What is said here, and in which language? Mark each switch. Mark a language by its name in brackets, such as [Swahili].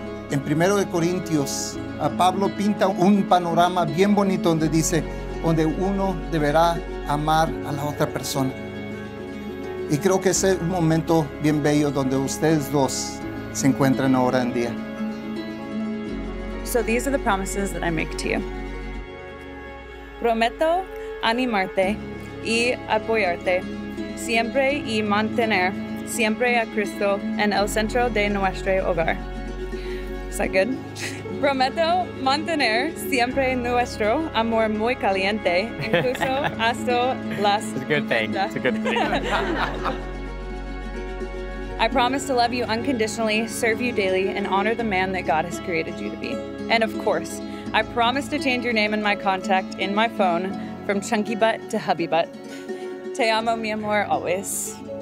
[Spanish] En Primero de Corintios, a Pablo pinta un panorama bien bonito donde dice, donde uno deberá amar a la otra persona. Y creo que ese es un momento bien bello donde ustedes dos se encuentran ahora en día. [English] So these are the promises that I make to you. [Spanish] Prometo animarte y apoyarte siempre y mantener siempre a Cristo en el centro de nuestro hogar. [English] Is that good? [Spanish] Prometo mantener siempre nuestro amor muy caliente, incluso hasta las... [English] It's a good thing. It's a good thing. I promise to love you unconditionally, serve you daily, and honor the man that God has created you to be. And of course, I promise to change your name and my contact in my phone from Chunky Butt to Hubby Butt. [Spanish] Te amo, mi amor, [English] always.